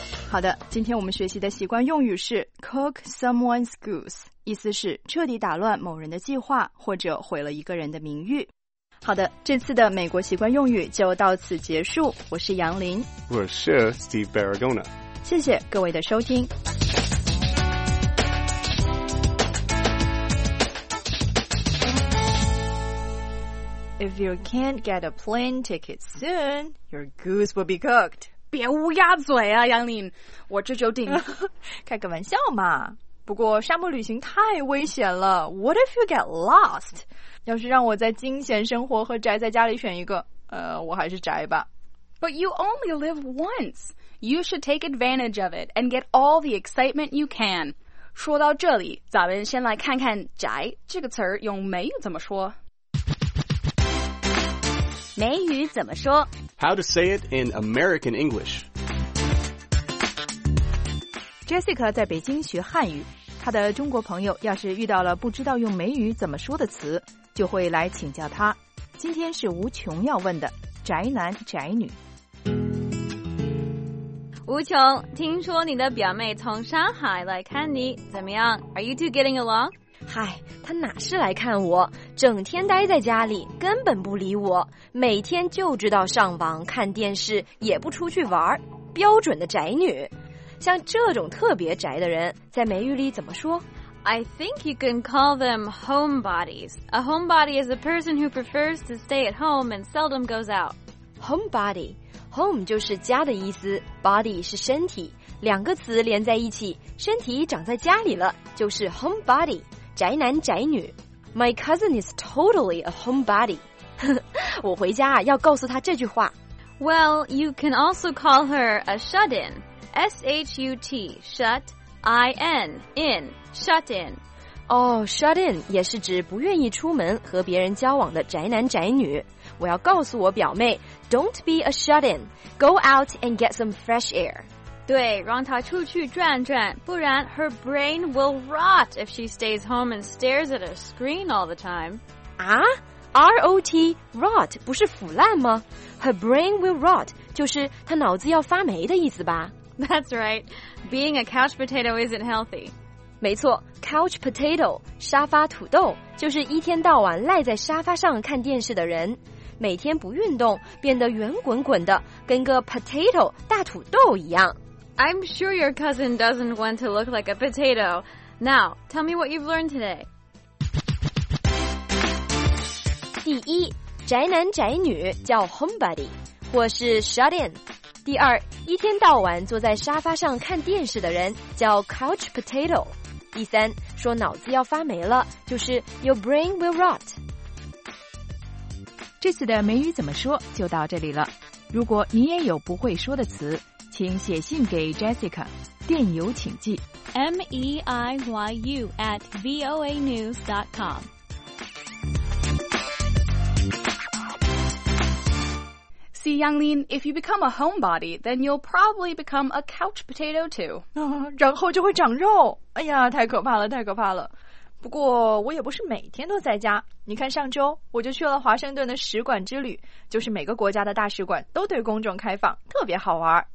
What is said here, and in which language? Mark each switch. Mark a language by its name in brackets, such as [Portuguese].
[Chinese] 好的，今天我们学习的习惯用语是 cook someone's goose, 意思是彻底打乱某人的计划或者毁了一个人的名誉。好的，这次的美国习惯用语就到此结束。我是杨林，我是 Steve Barragona。谢谢各位的收听。 [English] If you can't get a plane ticket soon, your goose will be cooked. [Chinese] 别乌鸦嘴啊，杨林，我这就订。开个玩笑嘛。不过沙漠旅行太危险了。 [English] What if you get lost? [Chinese] 要是让我在惊险生活和宅在家里选一个，我还是宅吧。 [English] But you only live once. You should take advantage of it and get all the excitement you can. [Chinese] 说到这里，咱们先来看看宅这个词儿用美语怎么说。美语怎么说 [English] How to say it in American English [Chinese] Jessica 在北京学汉语她的中国朋友要是遇到了不知道用美语怎么说的词就会来请教她今天是吴琼要问的宅男宅女吴琼听说你的表妹从上海来看你怎么样 [English] Are you two getting along? [Chinese] 嗨他哪是来看我整天待在家里根本不理我每天就知道上网看电视也不出去玩标准的宅女像这种特别宅的人在美语里怎么说 [English] I think you can call them homebodies A homebody is a person who prefers to stay at home and seldom goes out [Chinese] Homebody Home 就是家的意思 Body 是身体两个词连在一起身体长在家里了就是 homebody宅男宅女 [English] My cousin is totally a homebody [Chinese] 我回家啊要告诉他这句话 [English] Well, you can also call her a shut-in S-H-U-T Shut-I-N In Shut-in [Chinese] 哦、oh, shut-in 也是指不愿意出门和别人交往的宅男宅女我要告诉我表妹 [English] Don't be a shut-in Go out and get some fresh air [Chinese] 对让她出去转转不然 [English] her brain will rot if she stays home and stares at a screen all the time. [Chinese] 啊 ?R-O-T, rot, 不是腐烂吗 ? [English] Her brain will rot, [Chinese] 就是她脑子要发霉的意思吧。 [English] That's right, being a couch potato isn't healthy. [Chinese] 没错 ,couch potato, 沙发土豆就是一天到晚赖在沙发上看电视的人。每天不运动变得圆滚滚的跟个 potato, 大土豆一样。 [English] I'm sure your cousin doesn't want to look like a potato. Now, tell me what you've learned today. [Chinese] 第一，宅男宅女叫 homebody, 或是 shut in。第二，一天到晚坐在沙发上看电视的人叫 couch potato。第三，说脑子要发霉了，就是 [English] your brain will rot。 [Chinese] 这次的美语怎么说就到这里了。如果你也有不会说的词，请写信给 Jessica， 电邮请寄 [English] meiyu@voanews.com。 See, Yanglin, if you become a homebody, then you'll probably become a couch potato too. [Chinese] 然后就会长肉。哎呀，太可怕了，太可怕了。不过我也不是每天都在家，你看上周我就去了华盛顿的使馆之旅，就是每个国家的大使馆都对公众开放，特别好玩。